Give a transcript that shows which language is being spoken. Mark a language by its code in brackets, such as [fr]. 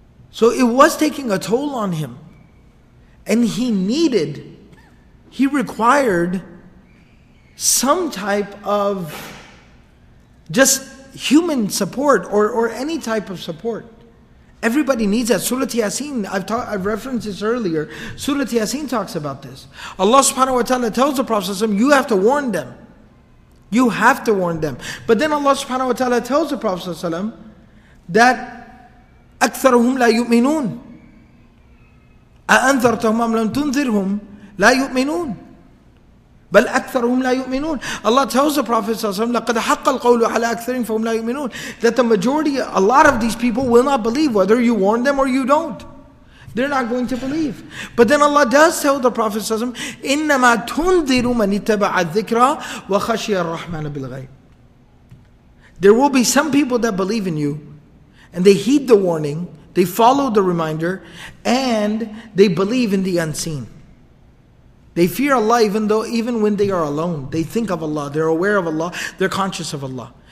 [en] So it was taking a toll on him. And he required some type of just human support or any type of support. Everybody needs that. Surah Yasin, I've referenced this earlier. Surah Yasin talks about this. Allah subhanahu wa ta'ala tells the Prophet, you have to warn them. You have to warn them. But then Allah subhanahu wa ta'ala tells the Prophet that [ar] أَكْثَرُهُمْ لَا يُؤْمِنُونَ أَأَنذَرْتَهُمْ أَمْ لَمْ تُنذِرْهُمْ لَا يُؤْمِنُونَ بَلْ أَكْثَرُهُمْ لَا يُؤْمِنُونَ. [en] Allah tells the Prophet ﷺ, [ar] لَقَدْ حَقَّ الْقَوْلُ عَلَىٰ أَكْثَرِينَ فَهُمْ لَا يُؤْمِنُونَ. [en] That the majority, a lot of these people will not believe, whether you warn them or you don't. They're not going to believe. But then Allah does tell the Prophet [ar] ﷺ, إِنَّمَا تُنذِرُ مَنِ اتَّبَعَ الذِّكْرَ وَخَشِيَ الرَّحْمَنَ بِالْغَيْبِ. [en] There will be some people that believe in you, and they heed the warning, they follow the reminder, and they believe in the unseen. They fear Allah even when they are alone. They think of Allah, they're aware of Allah, they're conscious of Allah.